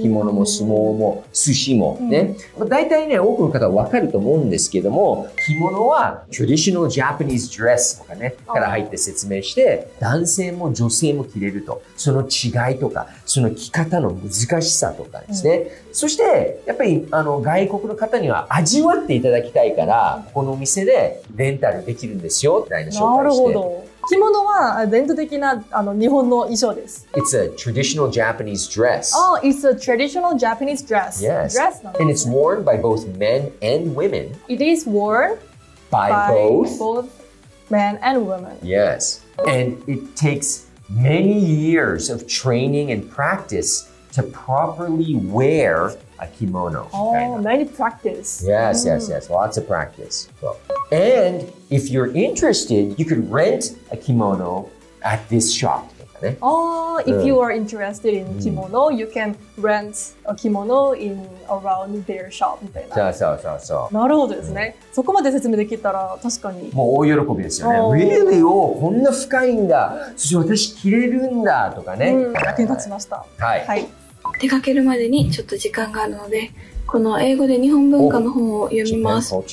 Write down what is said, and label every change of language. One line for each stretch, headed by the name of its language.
Japanese: 着物も相撲も寿司もね、うん、まあ、大体ね、多くの方は分かると思うんですけども、着物は
English: traditional Japanese dress
Japanese: とかねから入って説明して、男性も女性も着れると、その違いとか、その着方の難しさとかですね、うん、そしてやっぱりあの外国の方には味わっていただきたいから、このお店でレンタルできるんですよみたいな紹介して。なるほど。着物は伝統的なあの日本の衣装です。
English: It's a traditional Japanese dress。 Oh, it's a traditional Japanese dress。 Yes,
Japanese: dress なんですね。
English: And it's worn by both men and women。 It is worn by both men and women。 Yes, and it takes many years of training and practice to properly wear a kimono。 Oh, many practice。 Yes, yes, yes, lots of practice、so. And if you're interested, you could rent a kimono at this shop. If you are interested in kimono, you can rent a kimono in around their shop.
Japanese: そう。なるほどですね。そこまで説明できたら確かに。もう大喜びですよね。
English: Really? Oh,
Japanese: こんな深いんだ。そして私着れるんだとかね。役に立ちました。はい。出かけるまでにちょっと時間があるので、この英語で日本文化の本を読みます。